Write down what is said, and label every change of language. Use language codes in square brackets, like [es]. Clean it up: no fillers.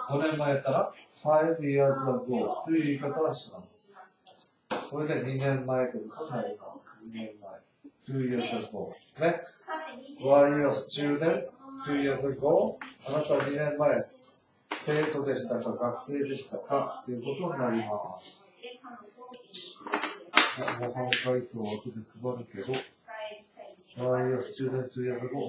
[ja] 5年前やったら ? [en] 5 years ago。 [ja] という言い方はします。これで2年前ということになります。 2年前。 [en] 2 years ago. ね。 Were you a student 2 years ago? [ja] あなたは2年前、生徒でしたか、学生でしたかということになります。模範解答を後で配るけど、 [en] Were you a student 2 years ago?